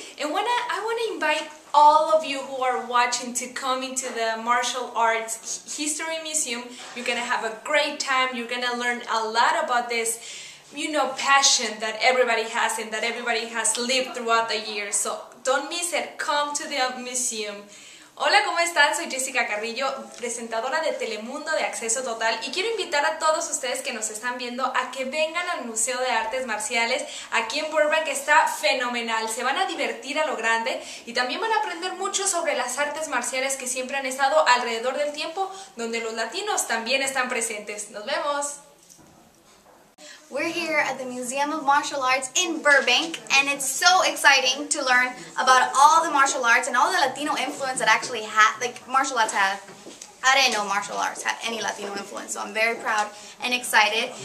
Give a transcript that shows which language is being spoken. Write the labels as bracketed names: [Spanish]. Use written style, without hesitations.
[English] And I want to invite all of you who are watching to come into the Martial Arts History Museum. You're going to have a great time. You're going to learn a lot about this, you know, passion that everybody has and that everybody has lived throughout the years. So don't miss it. Come to the museum. [Spanish] Hola, ¿cómo están? Soy Jessica Carrillo, presentadora de Telemundo de Acceso Total y quiero invitar a todos ustedes que nos están viendo a que vengan al Museo de Artes Marciales aquí en Burbank, que está fenomenal. Se van a divertir a lo grande y también van a aprender mucho sobre las artes marciales que siempre han estado alrededor del tiempo donde los latinos también están presentes. ¡Nos vemos! [English] We're here at the Museum of Martial Arts in Burbank, and it's so exciting to learn about all the martial arts and all the Latino influence that actually had, like, martial arts had. I didn't know martial arts had any Latino influence, so I'm very proud and excited.